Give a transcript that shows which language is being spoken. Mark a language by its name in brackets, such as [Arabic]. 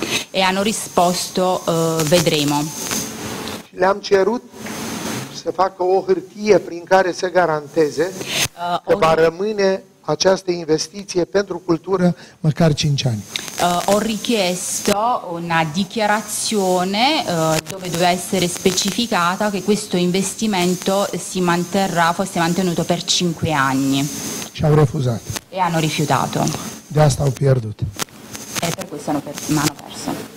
[Italian] E hanno risposto vedremo. [Romanian] Le-am cerut să facă o hârtie prin care să garanteze că va rămâne această investiție pentru cultură măcar 5 ani. [Italian] Ho richiesto una dichiarazione dove doveva essere specificata che questo investimento si manterrà, fosse mantenuto per 5 anni. Ci hanno refusato. E hanno rifiutato. [Romanian] De asta au pierdut. [Italian] E per questo hanno perso.